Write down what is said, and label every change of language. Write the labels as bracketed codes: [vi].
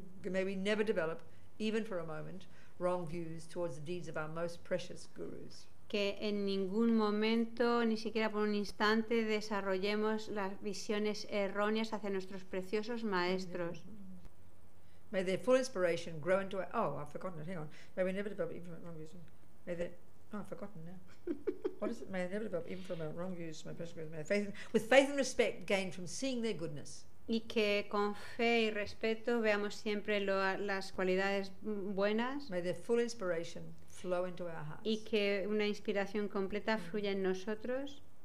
[en] May we never develop, even for a moment, wrong views towards the deeds of our most precious gurus. [es] Que en ningún momento, ni siquiera por un instante, desarrollemos las visiones erróneas hacia nuestros preciosos maestros. [en] May their full inspiration grow into our... Oh, I've forgotten it, hang on. May we never develop even from wrong views. May they... Oh, I've forgotten now. What is it? May they never develop even from wrong views. My personal... May faith in... With faith and respect gained from seeing their goodness. [es] Y que con fe y respeto veamos siempre las cualidades buenas. [en] May their full inspiration... flow into our hearts. [es] Y que una inspiración completa fluya en nosotros.